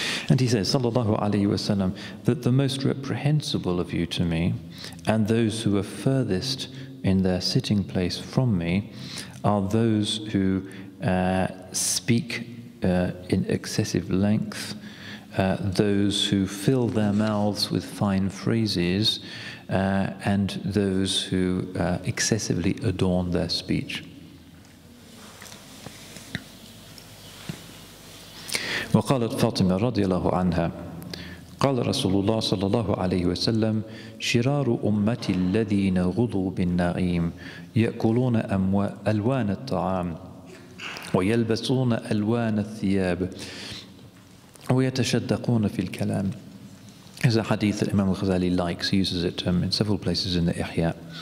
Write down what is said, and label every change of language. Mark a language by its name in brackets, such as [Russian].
[English] And he says, sallallahu alayhi wa sallam, that the most reprehensible of you to me and those who are furthest in their sitting place from me are those who speak in excessive length, those who fill their mouths with fine phrases, and those who excessively adorn their speech. [Arabic] وقالت فاطمة رضي الله عنها قال رسول الله صلى الله عليه وسلم شرار أمتي الذين غضوا بالنعيم يأكلون ألوان الطعام ويلبسون ألوان الثياب ويتشدقون في الكلام. [English] Is a hadith that Imam Ghazali likes. He uses it in several places in the Ihya.